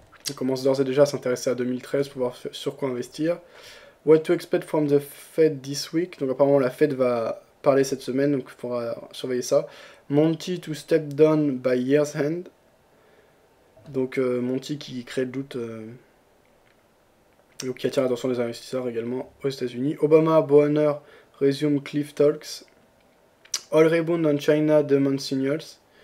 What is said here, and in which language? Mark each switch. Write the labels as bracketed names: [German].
[French] On commence d'ores et déjà à s'intéresser à 2013 pour voir sur quoi investir. [English] What to expect from the Fed this week? [French] Donc apparemment la Fed va parler cette semaine, donc il faudra surveiller ça. [English] Monty to step down by year's end. [French] Donc Monty qui crée le doute, donc qui attire l'attention des investisseurs également aux États-Unis. [English] Obama Bonner resume cliff talks. All rebound on China demand signals.